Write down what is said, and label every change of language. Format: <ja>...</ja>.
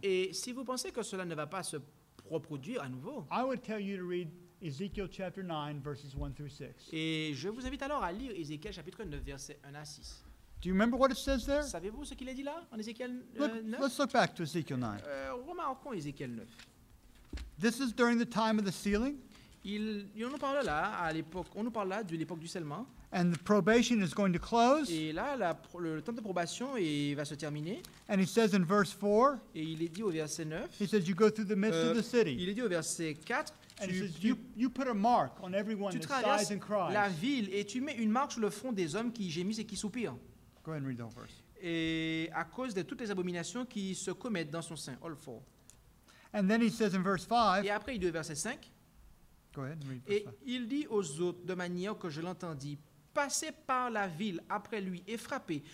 <fr>et si vous pensez que cela ne va pas se reproduire à nouveau,</fr> <en>I would tell you to read Ezekiel chapter 9 verses 1 through 6.</en> <fr>Et je vous invite alors à lire Ézéchiel chapitre 9 verset 1 à 6.</fr> <en>Do you remember what it says there?</en> <fr>Savez-vous ce qu'il a dit là en Ézéchiel 9?</fr> <en>Let's look back to Ezekiel 9.</en> <fr>Remarquons Ézéchiel 9.</fr> <en>This is during the time of the sealing.</en> <fr>On nous parle là de l'époque du scellement.</fr> <en>And the probation is going to close.</en> <fr>Et là, le temps de probation va se terminer.</fr> <en>And he says in verse 4.</en> <fr>Et il est dit au verset 9.</fr> <en>He says, "You go through the midst of the city."</en> <fr>Il est dit au verset 4.</fr> <en>And</en> <fr>tu,</fr> <en>he says, "You put a mark on everyone that sighs and cries."</en> <fr>La ville et tu mets une marque sur le front des hommes qui gémissent et qui soupirent.</fr> <en>Go ahead and read the whole verse.</en> <fr>Et à cause de toutes les abominations qui se commettent dans son sein.</fr> <en>All four. And then he says in verse 5.</en> <fr>Et après il dit au verset 5.</fr> <en>Go ahead and read verse 5.</en> <fr>Et il dit aux autres de manière que je l'entendis. Passez par la ville après lui et frappez.</fr>